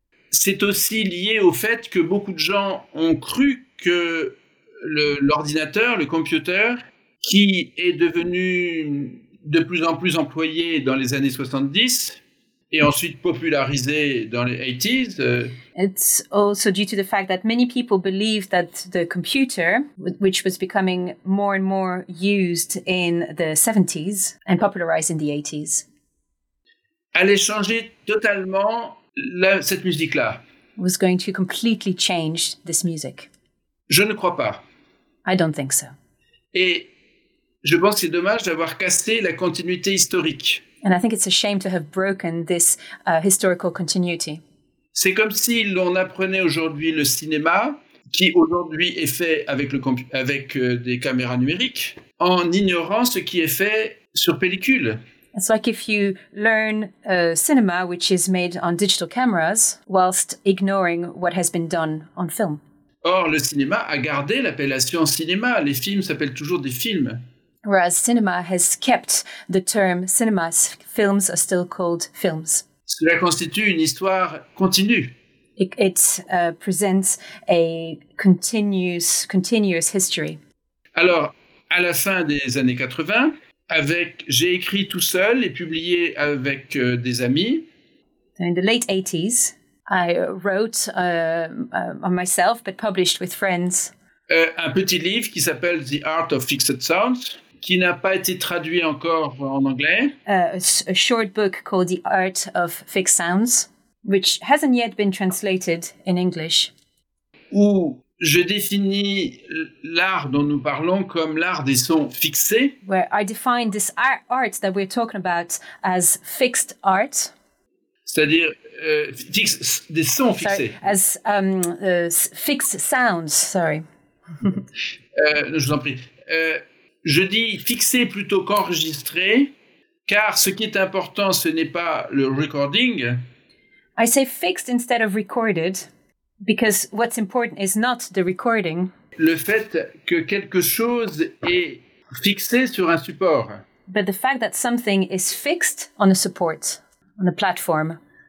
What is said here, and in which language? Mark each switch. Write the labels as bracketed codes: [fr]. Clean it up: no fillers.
[fr] C'est aussi lié au fait que beaucoup de gens ont cru que l'ordinateur, le computer, qui est devenu de plus en plus employé dans les années 70 et ensuite popularisé dans les 80s. [en] It's also due to the fact that many people believe that the computer, which was becoming more and more used in the 70s and popularized in the 80s, [fr] allait changer totalement cette musique-là. [en] Was going to completely change this music. [fr] Je ne crois pas. [en] I don't think so. [fr] Et je pense que c'est dommage d'avoir cassé la continuité historique. [en] And I think it's a shame to have broken this historical continuity. [fr] C'est comme si l'on apprenait aujourd'hui le cinéma, qui aujourd'hui est fait avec des caméras numériques, en ignorant ce qui est fait sur pellicule. [en] It's like if you learn cinema, which is made on digital cameras, whilst ignoring what has been done on film. [fr] Or, le cinéma a gardé l'appellation cinéma. Les films s'appellent toujours des films. [en] Whereas cinema has kept the term cinema, films are still called films. [fr] Cela constitue une histoire continue. [en] It presents a continuous history. [fr] Alors, à la fin des années 80, j'ai écrit tout seul et publié avec des amis. [en] In the late 80s, I wrote on myself, but published with friends. [fr] Un petit livre qui s'appelle The Art of Fixed Sounds, qui n'a pas été traduit encore en anglais. [en] A short book called The Art of Fixed Sounds, which hasn't yet been translated in English. [fr] Où je définis l'art dont nous parlons comme l'art des sons fixés. [en] Where I define this art that we're talking about as fixed art. [fr] C'est-à-dire des sons fixés. [en] Sorry, as fixed sounds, sorry. [fr] je vous en prie. Je dis fixé plutôt qu'enregistré, car ce qui est important, ce n'est pas le recording. [en] I say fixed instead of recorded, because what's important is not the recording. [fr] Le fait que quelque chose est fixé sur un support. [en] But the fact that something is fixed on a support, on a platform.